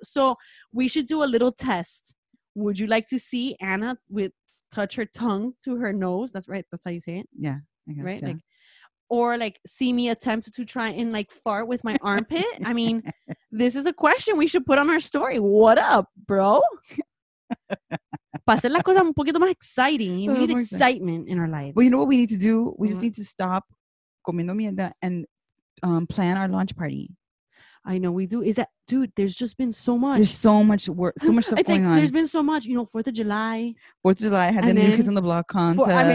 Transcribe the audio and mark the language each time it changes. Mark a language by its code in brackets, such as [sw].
[en] So we should do a little test. Would you like to see Anna touch her tongue to her nose? That's right. That's how you say it. Yeah. I guess, right. Yeah. Like, or like see me attempt to try and like fart with my armpit. I mean, this is a question we should put on our story. What up, bro? [es] Para hacer las cosas un poquito más [en] exciting. You need excitement in our lives. Well, you know what we need to do? We just need to stop [es] comiendo mierda [en] and plan our launch party. I know we do. Is that, dude, there's just been so much. There's so much work, so much stuff going on. There's been so much. You know, 4th of July. 4th of July. I had the New Kids on the Block concert.